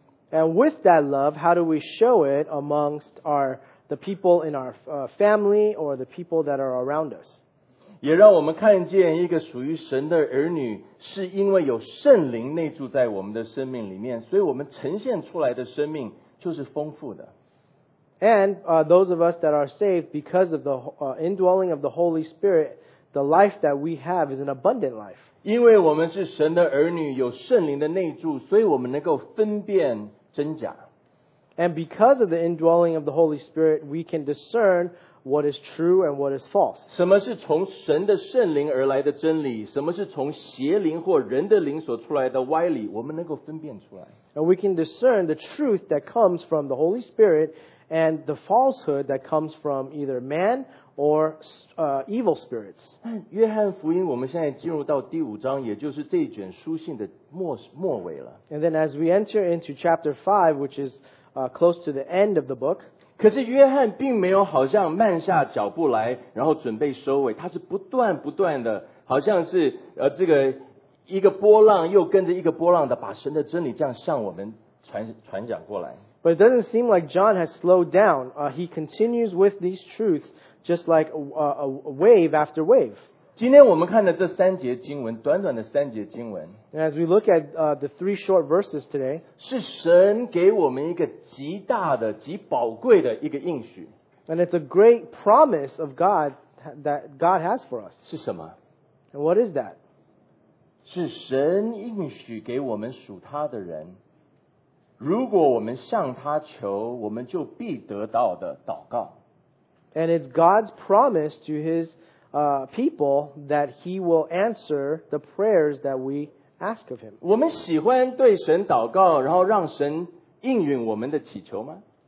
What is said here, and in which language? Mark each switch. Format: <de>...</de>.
<en>And with that love, how do we show it amongst the people in our family or the people that are around us?</en> <zh>也让我们看见一个属于神的儿女，是因为有圣灵内住在我们的生命里面，所以我们呈现出来的生命就是丰富的。</zh> <en>And those of us that are saved because of the indwelling of the Holy Spirit, the life that we have is an abundant life.</en> <zh>因为我们是神的儿女，有圣灵的内住，所以我们能够分辨真假。</zh> <en>And because of the indwelling of the Holy Spirit, we can discern what is true and what is false.</en> <zh>什么是从神的圣灵而来的真理，什么是从邪灵或人的灵所出来的歪理，我们能够分辨出来。</zh> <en>And we can discern the truth that comes from the Holy Spirit. And the falsehood that comes from either man or evil spirits.</en> <zh>约翰福音，我们现在进入到第五章，也就是这卷书信的末尾了。</zh> <en>And then as we enter into chapter 5, which is close to the end of the book.</en> <zh>可是约翰并没有好像慢下脚步来，然后准备收尾，他是不断不断的，好像是这个一个波浪又跟着一个波浪的，把神的真理这样向我们传讲过来。</zh> <en>But it doesn't seem like John has slowed down. He continues with these truths just like a wave after wave.</en> <zh>今天我们看的这三节经文，短短的三节经文。</zh> <en>And as we look at the three short verses today,</en> <zh>是神给我们一个极大的、极宝贵的一个应许。</zh> <en>And it's a great promise of God that God has for us.</en> <zh>是什么？</zh> <en>And what is that?</en> <zh>是神应许给我们属他的人。如果我们向他求，我们就必得到的祷告。</zh> <en>And it's God's promise to his people that he will answer the prayers that we ask of him.</en> <zh>我们喜欢对神祷告，然后让神应允我们的祈求吗？</zh>